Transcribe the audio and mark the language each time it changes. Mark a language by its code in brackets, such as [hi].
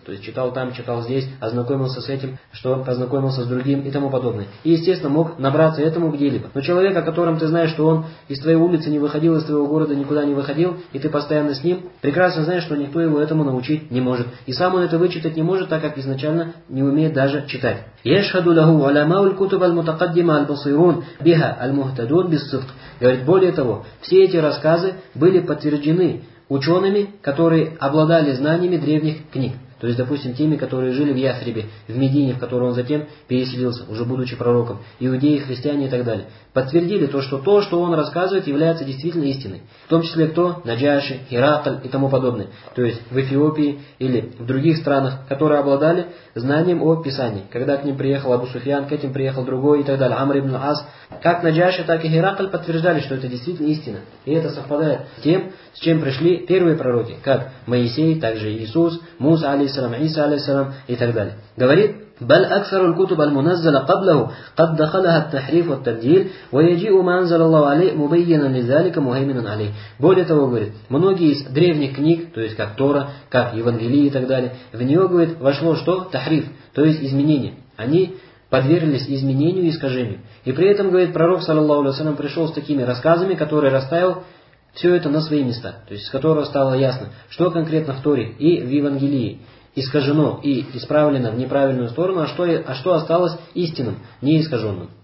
[ru] То есть читал там, читал здесь, ознакомился с этим, что познакомился с другим и тому подобное. И, естественно, мог набраться этому где-либо. Но человек, о котором ты знаешь, что он из твоей улицы не выходил, из твоего города никуда не выходил, и ты постоянно с ним, прекрасно знаешь, что никто его этому научить не может. И сам он это вычитать не может, так как изначально не умеет даже читать. [ar] يشهد له علماء الكتب المتقدمة البصيرون بها المهتدون بالصدق. [ru] Говорит, более того, все эти рассказы были подтверждены учеными, которые обладали знаниями древних книг. То есть, допустим, теми, которые жили в Ясрибе, в Медине, в которую он затем переселился, уже будучи пророком, иудеи, христиане и так далее. Подтвердили то, что он рассказывает, является действительно истиной. В том числе кто? Наджаши, Хиракль и тому подобное. То есть в Эфиопии или в других странах, которые обладали знанием о Писании. Когда к ним приехал Абу Суфьян, к этим приехал другой и так далее. Амр ибн Ас. Как Наджаши, так и Хиракль подтверждали, что это действительно истина. И это совпадает с тем, с чем пришли первые пророки. Как Моисей, также Иисус, Муса, алейхиссалам, Иса, алейхиссалам и так далее. Говорит... [ar] بل أكثر الكتب المنزلة قبله قد دخلها التحريف والتبديل ويجيء ما أنزل الله عليه مبينا لذلك مهيمنا عليه. [ru] Более того, говорит, многие из древних книг, то есть как Тора, как Евангелие и так далее, в нее, говорит, вошло что? Тахриф, то есть изменение. Они подверглись изменению и искажению. И при этом, говорит, пророк, саллаллаху алейхи ва саллям, пришел с такими рассказами, которые расставил все это на свои места, то есть с которого стало ясно, что конкретно в Торе и в Евангелии искажено и исправлено в неправильную сторону, а что осталось истинным, неискаженным.